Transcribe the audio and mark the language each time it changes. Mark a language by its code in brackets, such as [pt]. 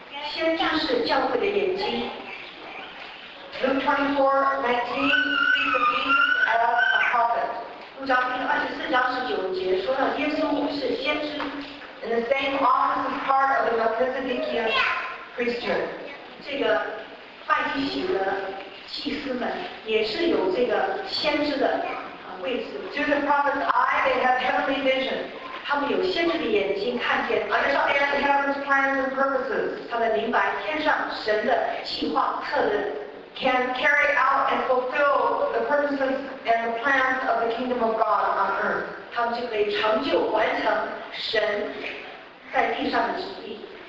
[zh] 先知是教会的眼睛 [en] Luke 24:19 speaks of Jesus as a prophet. [zh] 路加福音24:19说到耶稣是先知 [en] In the same office as part of the Melchizedekian priesthood. [zh] 这个麦基洗的祭司们也是有这个先知的。 [en] To the prophet's eye, they have heavenly vision. [zh] 他们有先知的眼睛看见。 [en] Understand heaven's plans and purposes. [zh] 他们明白天上神的计划策略。 [en] Can carry out and fulfill the purposes and the plans of the kingdom of God on earth. [zh] 他们就可以成就完成神在地上的旨意。